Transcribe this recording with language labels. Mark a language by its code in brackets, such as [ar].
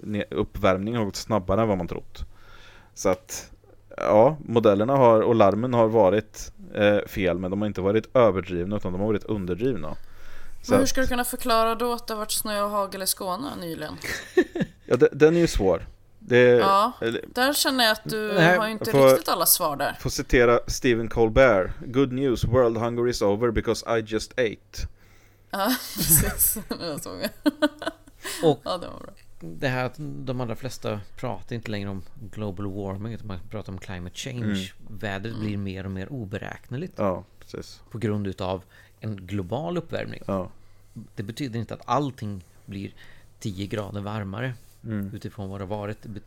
[sv] Uppvärmningen har gått snabbare än vad man trott. Så att ja, modellerna har och larmen har varit fel, men de har inte varit överdrivna utan de har varit underdrivna. Så men hur ska du kunna förklara då att det har varit snö och hagel i Skåne nyligen? Ja, den är ju svår. Där känner jag att du har inte riktigt alla svar där. Får citera Stephen Colbert. [en] Good news, world hunger is over because I just ate. [sv] Ja, precis. Och ja, det var bra. Det här att de allra flesta pratar inte längre om global warming utan man pratar om climate change. Mm. Vädret blir mer och mer oberäkneligt. Ja, precis. På grund av en global uppvärmning. Ja. Det betyder inte att allting blir 10 grader varmare utifrån vad det har varit.